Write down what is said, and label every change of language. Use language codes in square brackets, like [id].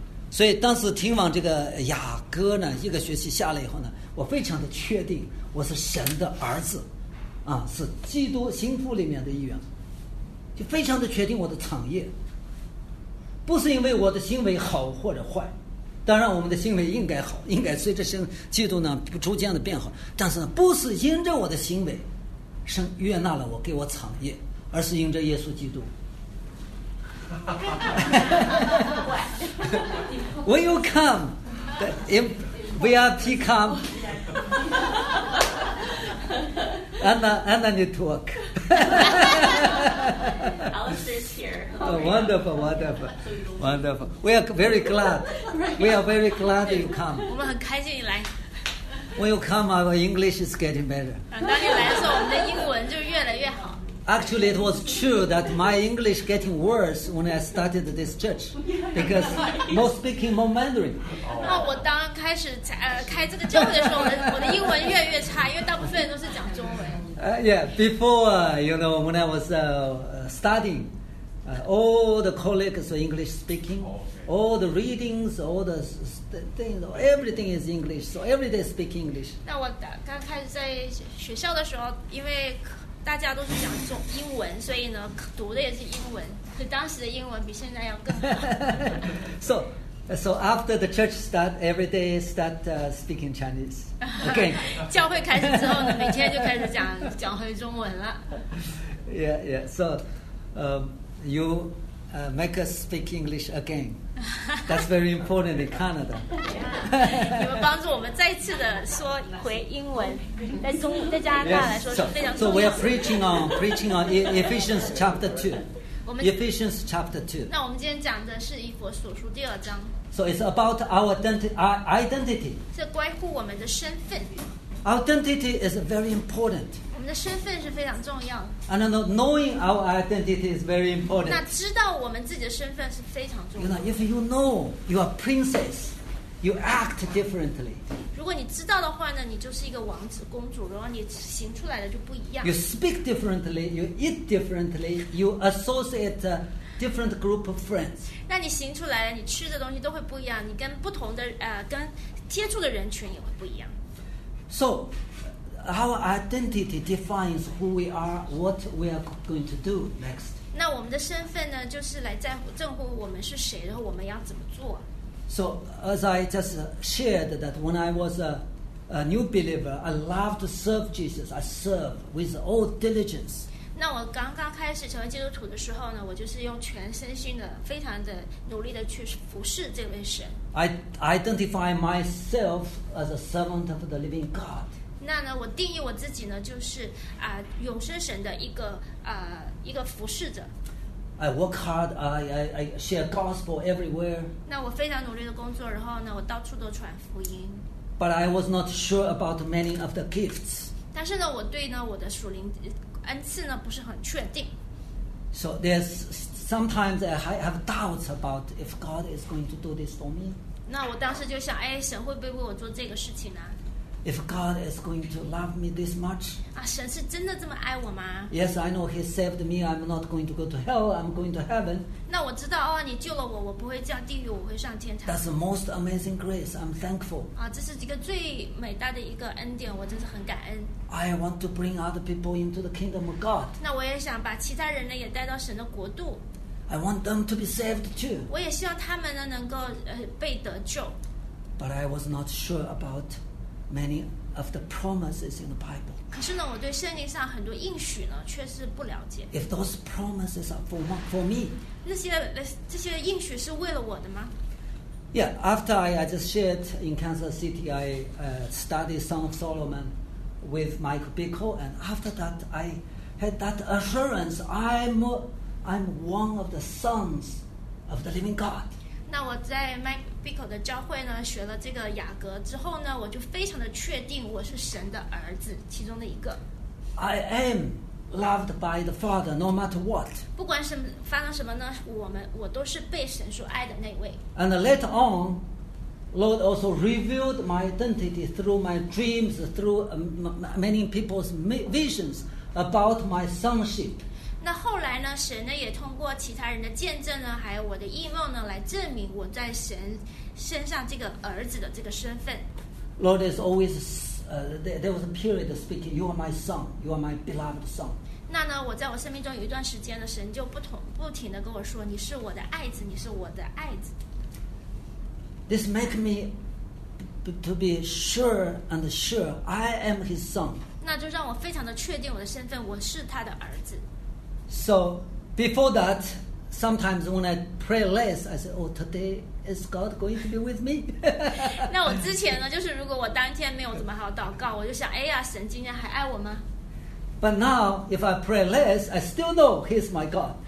[zh] 所以当时听完这个雅歌呢，一个学期下来以后呢，我非常的确定我是神的儿子，是基督心腹里面的一员，就非常的确定我的产业不是因为我的行为好或者坏，当然我们的行为应该好，应该随着神基督呢逐渐的变好，但是呢不是因着我的行为神悦纳了我给我产业，而是因着耶稣基督。 [en] When you come the VIP come Anna need to work. Alistair's here. Oh, wonderful, wonderful. Wonderful. We are very glad. We are very glad you come. [zh] 我们很开心你来。 [en] When you come, our English is getting better. [zh] 当你来的时候，我们的英文就越来越好。 [en] Actually, it was true that my English getting worse when I started this church because no speaking, no Mandarin. [zh] 那我当开始开这个教会的时候，我的英文越来越差，因为大部分人都是讲中文。 [en] Yeah, before, you know, when I was studying, all the colleagues were English speaking, all the readings, all the things, everything is English, so every day speak English. [zh] 那我刚开始在学校的时候，因为大家都是讲中英文，所以呢读的也是英文，所以当时的英文比现在要更好。 [en] So after the church start every day start speaking Chinese again. [zh] 教会开始之后呢，每天就开始讲回中文了。 [en] Yeah. So, you make us speak English again. That's very important in Canada. [zh] 你们帮助我们再次的说回英文，在加拿大来说是非常重要的。 [en] So we are preaching on Ephesians chapter 2. Ephesians chapter 2. [zh] 那我们今天讲的是以弗所书第二章。 [en] So it's about our identity. [zh] 这关乎我们的身份。 [en] Our identity is very important. [zh] 我们的身份是非常重要。 [en] And knowing our identity is very important. [zh] 那知道我们自己的身份是非常重要。 [en] You know, if you know you are princess, you act differently. [zh] 如果你知道的话呢，你就是一个王子公主，然后你行出来的就不一样。 [en] You speak differently, you eat differently, you associate different group of friends. [zh] 那你行出来，你吃的东西都会不一样，你跟不同的跟接触的人群也会不一样。 [en] So, our identity defines who we are, what we are going to do next. [zh] 那我们的身份呢，就是来在乎正乎我们是谁，然后我们要怎么做。 [en] So, as I just shared that when I was a new believer, I loved to serve Jesus. I serve with all diligence. [zh] 那我刚刚开始成为基督徒的时候呢，我就是用全身心的，非常的努力的去服侍这位神。 [en] I identify myself as a servant of the living God. [zh] 那呢，我定义我自己呢，就是永生神的一个服侍者。 [en] I work hard. I share gospel everywhere. [zh] 那我非常努力的工作，然后呢，我到处都传福音。 [en] But I was not sure about many of the gifts. [zh] 但是呢，我对呢我的属灵恩赐呢不是很确定。 [en] So there's sometimes I have doubts about if God is going to do this for me. [zh] 那我当时就想，哎，神会不会为我做这个事情呢？ [en] if God is going to love me this much. [zh] 啊，神是真的这么爱我吗？ [en] Yes, I know He saved me. I'm not going to go to hell. I'm going to heaven. [zh] 那我知道哦，你救了我，我不会降地狱，我会上天堂。 [en] That's the most amazing grace. I'm thankful. [zh] 啊，这是一个最伟大的一个恩典，我真是很感恩。 [en] I want to bring other people into the kingdom of God. [zh] 那我也想把其他人呢也带到神的国度。 [en] I want them to be saved too. [zh] 我也希望他们呢能够被得救。 [en] But I was not sure about many of the promises in the Bible. [zh] 可是呢，我对圣经上很多应许呢，却是不了解。 [en] If those promises are for me, [zh] 这些应许是为了我的吗？ [en] Yeah, after I just shared in Kansas City, I studied Song of Solomon with Michael Bickle, and after that, I had that assurance. I'm one of the sons of the living God. [zh] 那我在 Mike Bickle 的教会呢，学了这个雅各之后呢，我就非常的确定我是神的儿子，其中的一个。 [en] I am loved by the Father, no matter what. [zh] 不管什么发生什么呢，我都是被神所爱的那位。 [en] And later on, Lord also revealed my identity through my dreams, through many people's visions about my sonship. [zh] 那后来呢，神呢也通过其他人的见证呢，还有我的异梦呢，来证明我在神身上这个儿子的这个身份。 [en] Lord is always, there was a period of speaking, "You are my son, you are my beloved son." [zh] 那呢，我在我生命中有一段时间呢，神就不停的跟我说，你是我的爱子，你是我的爱子。 [en] This make me to be sure and sure I am His son. [zh] 那就让我非常的确定我的身份，我是他的儿子。 [en] So before that, sometimes when I pray less, I say, "Oh, today is God going to be with me?" [zh] 那我之前呢，就是如果我当天没有怎么好祷告，我就想，哎呀，神今天还爱我吗？ [en] But now, if I pray less, I still know He's my God.